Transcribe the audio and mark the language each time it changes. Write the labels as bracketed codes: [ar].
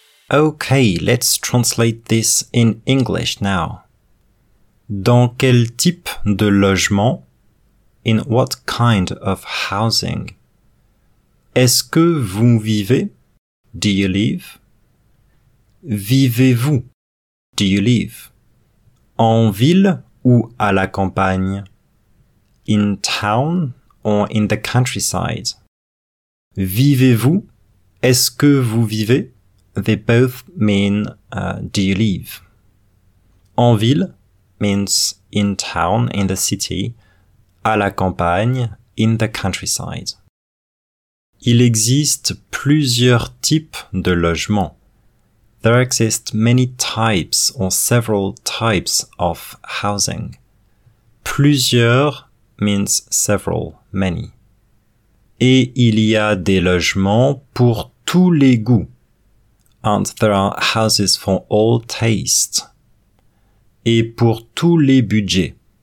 [en] Okay, let's translate this in English now. [fr] Dans quel type de logement? [en] In what kind of housing? [fr] Est-ce que vous vivez? [en] Do you live? [fr] Vivez-vous? [en] Do you live? [fr] En ville ou à la campagne? [en] In town or in the countryside? [fr] Vivez-vous? Est-ce que vous vivez? [en] They both mean, do you live? En ville means in town, in the city. [fr] À la campagne, [en] in the countryside. [fr] Il existe plusieurs types de logements. [en] There exist many types or several types of housing. Plusieurs means several, many. [fr] Et il y a des logements pour tous les goûts. [en] And there are houses for all tastes. [fr] Et pour tous les budgets.